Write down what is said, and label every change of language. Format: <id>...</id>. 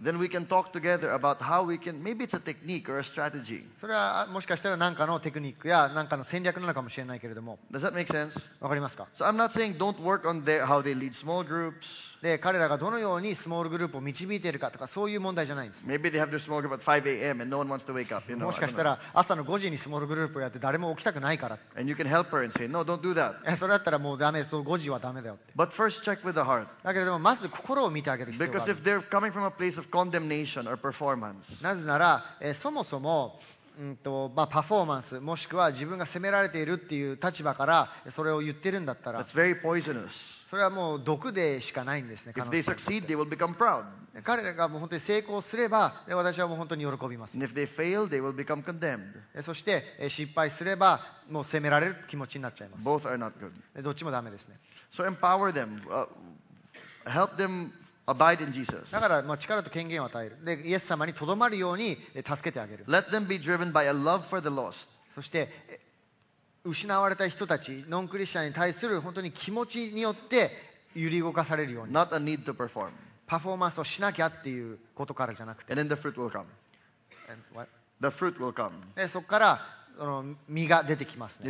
<en>Then we can talk together about how we can maybe it's a technique or a strategy.</en> <ja>それはもしかしたら何かのテクニックや何かの戦略なのかもしれないけれども</ja> <en>Does that make sense?</en> <ja>わかりますか?</ja> <en>So I'm not saying don't work on how they lead small groups.</en> <ja>で、彼らがどのようにスモールグループを導いているかとか、そういう問題じゃないんです。</ja> <en>Maybe they have their small group at 5 a.m. and no one wants to wake up. You know,</en> <ja>もしかしたら朝の5時にスモールグループをやって誰も起きたくないから。</ja> <en>And you can help her and say, no, don't do that.</en> <ja>それだったらもうダメ、その5時はダメだよって。</ja> <en>But first check with the heart.</en> <ja>だけれども、まず心を見てあげる必要がある。</ja> <en>Because if they're coming from a place of condemnation or performance.</en> <ja>なぜなら、そもそも、まあ、パフォーマンスもしくは自分が責められているっていう立場からそれを言ってるんだったら</ja> <en>That's very poisonous.</en> <ja>それはもう毒でしかないんですね</ja> <en>If they succeed, they will become proud.</en> <ja>彼らがもう本当に成功すれば私はもう本当に喜びます</ja> <en>And if they fail, they will become condemned.</en> <ja>そして失敗すればもう責められる気持ちになっちゃいます</ja> <en>Both are not good.</en> <ja>どっちもダメですね</ja> <en>So empower them. Help themAbide in Jesus.</en> <ja>だから、まあ、力と権限を与える。で、イエス様にとどまるように助けてあげる。</ja> <en>Let them be driven by a love for the lost.</en> <ja>そして、失われた人たち、ノンクリスチャンに対する本当に気持ちによって揺り動かされるように。</ja> <en>Not a need to perform.</en> <ja>パフォーマンスをしなきゃっていうことからじゃなくて。</ja> <en>And then the fruit will come. And what? The fruit will come.</en> <ja>で、そこから実が出てきますね。</ja>